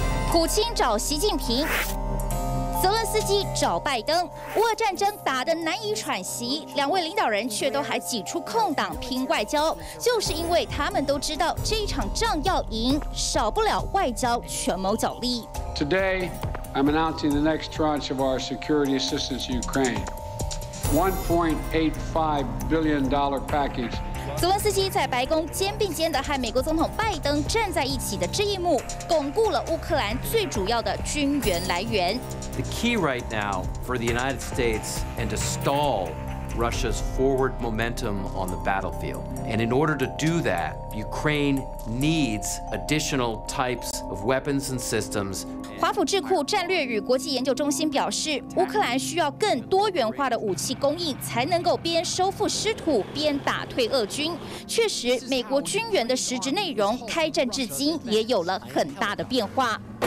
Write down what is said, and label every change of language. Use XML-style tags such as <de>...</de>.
<zh>普京找习近平，泽伦斯基找拜登，乌俄战争打得难以喘息，两位领导人却都还挤出空档拼外交，就是因为他们都知道这场仗要赢，少不了外交权谋角力。</zh> <en>Today, I'm announcing the next tranche of our security assistance to Ukraine. $1.85 billion package.</en> <zh>泽伦斯基在白宫肩并肩的和美国总统拜登站在一起的这一幕，巩固了乌克兰最主要的军援来源。</zh> <en>The key right now for the United States and to stall Russia's forward momentum on the battlefield. And in order to do that, Ukraine needs additional types of weapons and systems.</en> <zh>华府智库战略与国际研究中心表示，乌克兰需要更多元化的武器供应，才能够边收复失土边打退俄军。确实，美国军援的实质内容，开战至今也有了很大的变化。</zh>